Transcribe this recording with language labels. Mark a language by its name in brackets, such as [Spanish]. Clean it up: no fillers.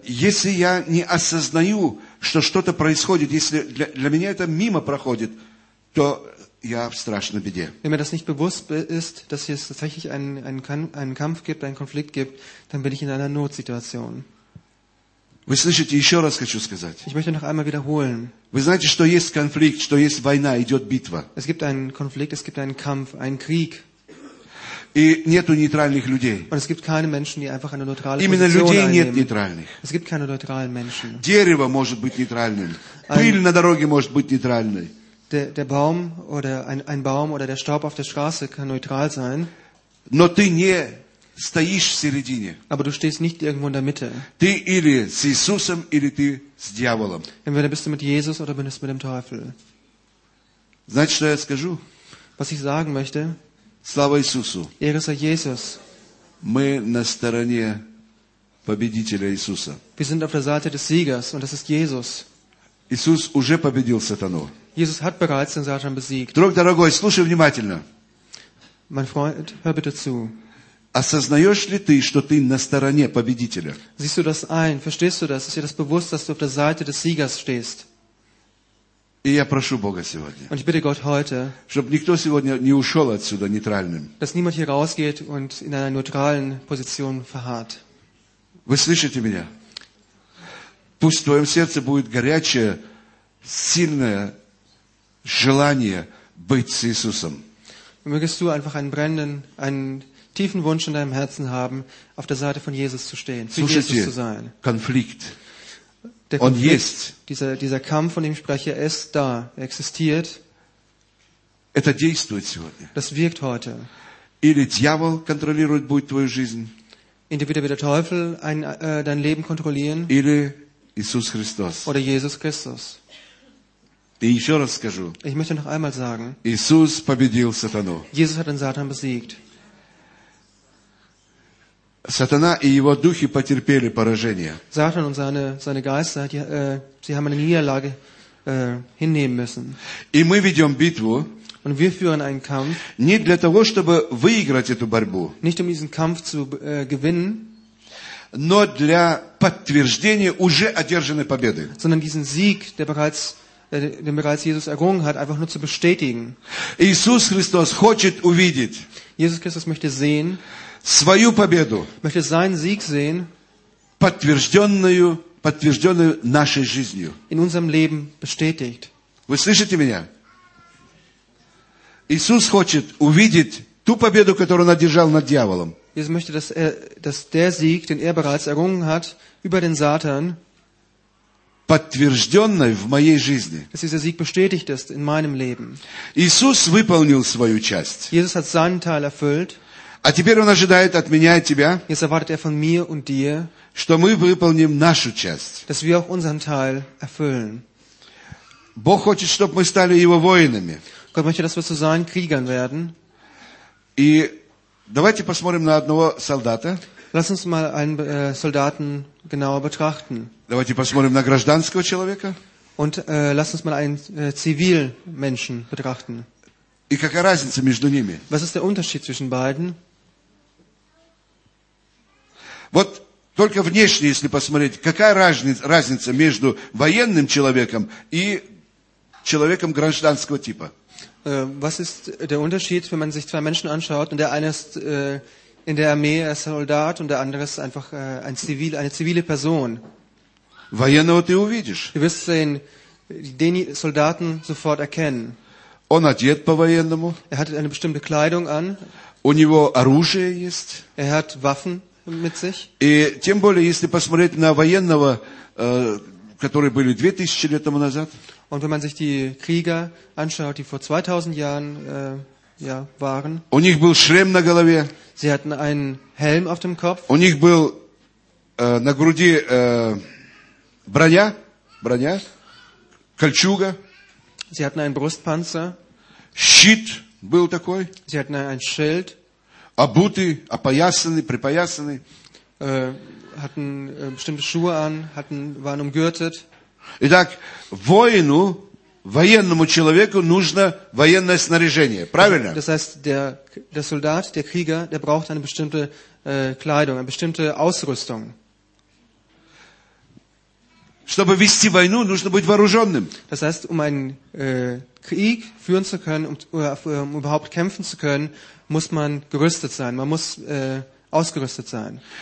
[Russian] Если я не осознаю, что что-то происходит, если для меня это мимо проходит, то я в страшной беде. [German] Wenn mir das nicht bewusst ist, dass es tatsächlich einen Kampf gibt, einen Konflikt gibt, dann bin ich in einer Notsituation. [Russian] Вы слышите, еще раз хочу сказать. [German] Ich möchte noch einmal wiederholen. [Russian] Вы знаете, что есть конфликт, что есть война, идет битва. [German] Es gibt einen Konflikt, es gibt einen Kampf, einen Krieg. [Russian] И нету нейтральных людей. [German] Und es gibt keine Menschen, die einfach eine neutrale Position einnehmen. [Russian] людей нет нейтральных. [German] Es gibt keine neutralen Menschen. [Russian] Дерево может быть нейтральным. Пыль на дороге может быть нейтральной. [German] Der Baum oder ein Baum oder der Staub auf der Straße kann neutral sein. [Russian] Но ты не стоишь в середине. [German] Aber du stehst nicht irgendwo in der Mitte. [Russian] Ты или с Иисусом, или ты с дьяволом. [German] Entweder bist du mit Jesus oder bist du mit dem Teufel. [Russian] Знаете, что я скажу? [German] Was ich sagen möchte. [Russian] Слава Иисусу. [German] Ehre sei Jesus. [Russian] Мы на стороне победителя Иисуса. [German] Wir sind auf der Seite des Siegers und das ist Jesus. [Russian] Иисус уже победил сатану. [German] Jesus hat bereits den Satan besiegt. [Russian] Друг дорогой, слушай внимательно. [German] Mein Freund, hör bitte zu. [Russian] Осознаешь ли ты, что ты на стороне победителя? [German] Siehst du das ein? Verstehst du das? Ist dir das bewusst, dass du auf der Seite des Siegers stehst? [Russian] И я прошу Бога сегодня. [German] Und ich bitte Gott heute. [Russian] Чтобы никто сегодня не ушел отсюда нейтральным. [German] Dass niemand hier rausgeht und in einer neutralen Position verharrt. [Russian] Вы слышите меня? Пусть в твоем сердце будет горячее, сильное желание быть с Иисусом. [German] Mögest du einfach einen brennenden, einen tiefen Wunsch in deinem Herzen haben, auf der Seite von Jesus zu stehen, für Jesus zu sein. Konflikt. Der Konflikt, dieser Kampf, von dem ich spreche, ist da, er existiert. [Russian] Это действует сегодня. [German] Das wirkt heute. [Russian] Или дьявол контролирует будет твою жизнь. [German] Entweder wird der Teufel dein Leben kontrollieren. [Russian] Или Иисус Христос. [German] Oder Jesus Christus. [Russian] И еще раз скажу. [German] Ich möchte noch einmal sagen. [Russian] Иисус победил сатану. [German] Jesus hat den Satan besiegt. [Russian] Сатана и его духи потерпели поражение. [German] Satan und seine Geister, sie haben eine Niederlage hinnehmen müssen. [Russian] И мы ведем битву. [German] Und wir führen einen Kampf. [Russian] Не для того, чтобы выиграть эту борьбу. [German] Nicht um diesen Kampf zu gewinnen. [Russian] Но для подтверждения уже одержанной победы. [German] Sondern diesen Sieg, den bereits Jesus errungen hat, einfach nur zu bestätigen. [Russian] Иисус Христос хочет увидеть. [German] Jesus Christus möchte sehen. [Russian] Свою победу. [German] Möchte seinen Sieg sehen. [Russian] Подтвержденную нашей жизнью. [German] In unserem Leben bestätigt. [Russian] Вы слышите меня? Иисус хочет увидеть Ту победу, которую он одержал над дьяволом. [German] Jesus möchte, dass er, dass der Sieg, den er bereits errungen hat über den Satan, [Russian] подтвержденный в моей жизни. [German] Dass dieser Sieg bestätigt ist in meinem Leben. [Russian] Иисус выполнил свою часть. [German] Jesus hat seinen Teil erfüllt. [Russian] А теперь он ожидает от меня и тебя. [German] Jetzt erwartet er von mir und dir, [Russian] что мы выполним нашу часть. [German] Dass wir auch unseren Teil erfüllen. [Russian] Бог хочет, чтобы мы стали Его воинами. [German] Gott möchte, dass wir zu seinen Kriegern werden. [Russian] И давайте посмотрим на одного солдата. [German] Lass uns mal einen Soldaten genauer betrachten. [Russian] Давайте посмотрим на гражданского человека. [German] Und lass uns mal einen Zivilmenschen betrachten. [Russian] И какая разница между ними? [German] Was ist der Unterschied zwischen beiden? [Russian] Вот только внешне, если посмотреть, какая разница между военным человеком и человеком гражданского типа? [German] Was ist der Unterschied, wenn man sich zwei Menschen anschaut und der eine ist in der Armee ein Soldat und der andere ist einfach eine zivile Person? [Russian] Военного ты увидишь. [German] Du wirst sehen, den Soldaten sofort erkennen. [Russian] Он одет по-военному. [German] Er hat eine bestimmte Kleidung an. [Russian] У него оружие есть. [German] Er hat Waffen mit sich. [Russian] И тем более, если посмотреть на военного, которые были 2000 лет тому назад. [German] Und wenn man sich die Krieger anschaut, die vor 2000 Jahren waren. [Russian] У них был шлем на голове. [German] Sie hatten einen Helm auf dem Kopf. [Russian] У них был на груди броня, кольчуга. [German] Sie hatten einen Brustpanzer. [Russian] Щит был такой. [German] Sie hatten ein Schild. [Russian] Обуты, опоясаны, припоясаны. [German] Hatten bestimmte Schuhe an, waren umgürtet. [Russian] Итак, воину, военному человеку нужно военное снаряжение, правильно? [German] Das heißt, der Soldat, der Krieger, der braucht eine bestimmte Kleidung, eine bestimmte Ausrüstung. [Russian] Чтобы вести войну, нужно быть вооруженным. [German] Das heißt, einen Krieg führen zu können, um überhaupt kämpfen zu können, muss man gerüstet sein, man muss ausgerüstet sein.